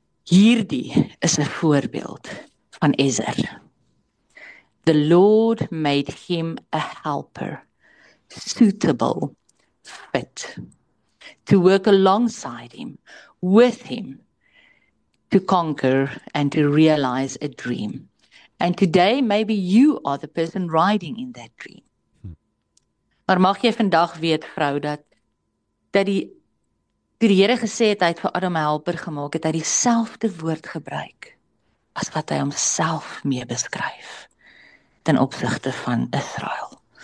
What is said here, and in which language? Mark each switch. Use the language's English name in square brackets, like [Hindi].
[Afrikaans] Hierdie is 'n voorbeeld van Ezer. [English] The Lord made him a helper, suitable, fit, to work alongside him, with him, to conquer and to realize a dream. And today, maybe you are the person riding in that dream. [Afrikaans] Maar mag jy vandag weet, vrou, dat die Here gesê het, hy het vir Adam 'n helper gemaak, het hy dieselfde woord gebruik as wat hy homself mee beskryf ten opsigte van Israel.